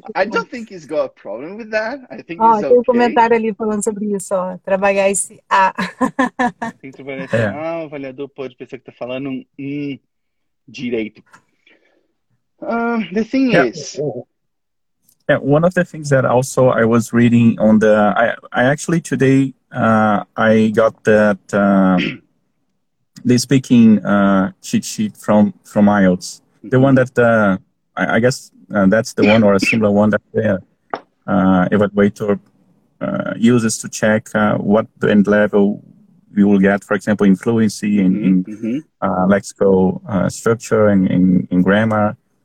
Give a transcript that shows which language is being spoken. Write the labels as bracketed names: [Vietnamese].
[Portuguese] questão? [English] I don't think he's got a problem with that. I think it's okay. [Portuguese] Tem um comentário ali falando sobre isso, ó. Trabalhar esse A. Tem que trabalhar esse A, o avaliador pode pensar que tá falando direito. [English] The thing is. Yeah, one of the things that also I was reading on the, I actually today I got that the speaking cheat sheet from IELTS, the one that I guess that's the one or a similar one that the evaluator uses to check what the end level you will get, for example, in fluency and in lexical structure and in grammar.